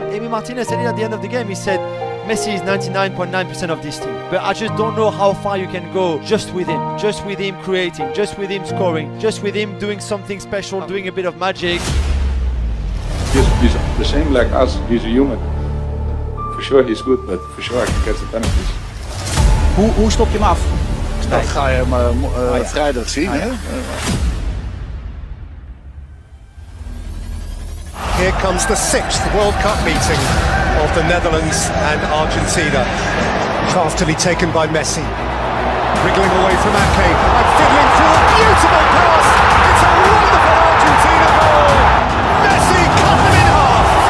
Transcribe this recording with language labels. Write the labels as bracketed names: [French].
[English] And Amy Martinez said it at the end of the game. He said, Messi is 99.9% of this team, but I just don't know how far you can go just with him creating, just with him scoring, just with him doing something special, doing a bit of magic. He's the same like us, he's a human. For sure he's good, but for sure I can catch the penalties. [Dutch] Hoe stop je hem af? Dat ga je hem vrijdag zien, hè? [English] Here comes the sixth World Cup meeting of the Netherlands and Argentina. Craftily taken by Messi. Wriggling away from Ake and fiddling through a beautiful pass. It's a wonderful Argentina goal. Messi cut them in half.